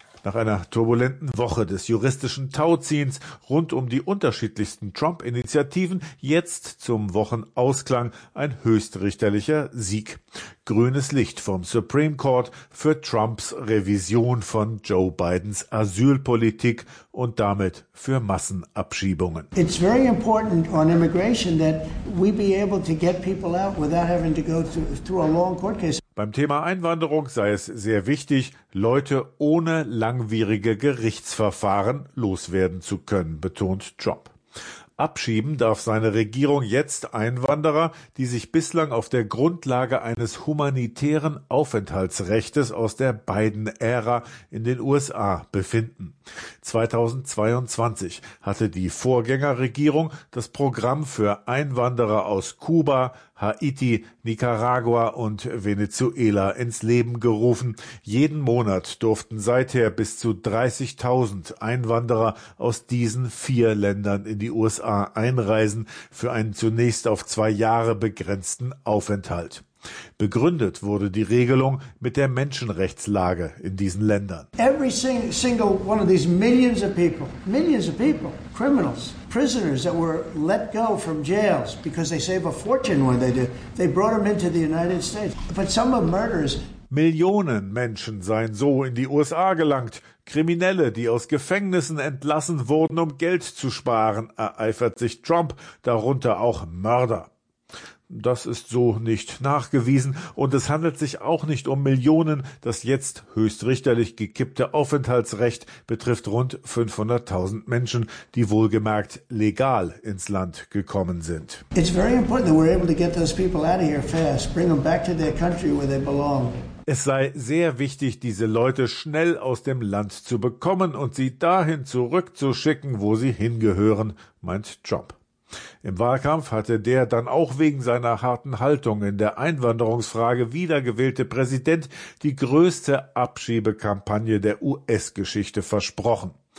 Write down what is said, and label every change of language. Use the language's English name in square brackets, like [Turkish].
[German] Nach einer turbulenten Woche des juristischen Tauziehens rund um die unterschiedlichsten Trump-Initiativen, jetzt zum Wochenausklang ein höchstrichterlicher Sieg. Grünes Licht vom Supreme Court für Trumps Revision von Joe Bidens Asylpolitik und damit für Massenabschiebungen. [English] It's very important on immigration that we be able to get people out without having to go through a long court case. [German] Beim Thema Einwanderung sei es sehr wichtig, Leute ohne langwierige Gerichtsverfahren loswerden zu können, betont Trump. Abschieben darf seine Regierung jetzt Einwanderer, die sich bislang auf der Grundlage eines humanitären Aufenthaltsrechts aus der Biden-Ära in den USA befinden. 2022 hatte die Vorgängerregierung das Programm für Einwanderer aus Kuba, Haiti, Nicaragua und Venezuela ins Leben gerufen. Jeden Monat durften seither bis zu 30.000 Einwanderer aus diesen 4 Ländern in die USA einreisen für einen zunächst auf 2 Jahre begrenzten Aufenthalt. Begründet wurde die Regelung mit der Menschenrechtslage in diesen Ländern. [English] Every single one of these millions of people, criminals, prisoners that were let go from jails because they save a fortune when they do, they brought them into the United States. But some of murderers. [German] Millionen Menschen seien so in die USA gelangt. Kriminelle, die aus Gefängnissen entlassen wurden, um Geld zu sparen, ereifert sich Trump, darunter auch Mörder. Das ist so nicht nachgewiesen und es handelt sich auch nicht um Millionen. Das jetzt höchstrichterlich gekippte Aufenthaltsrecht betrifft rund 500.000 Menschen, die wohlgemerkt legal ins Land gekommen sind. [English] It's very important that we're able to get those people out of here fast, bring them back to their country where they belong. [German] Es sei sehr wichtig, diese Leute schnell aus dem Land zu bekommen und sie dahin zurückzuschicken, wo sie hingehören, meint Trump. Im Wahlkampf hatte der dann auch wegen seiner harten Haltung in der Einwanderungsfrage wiedergewählte Präsident die größte Abschiebekampagne der US-Geschichte versprochen.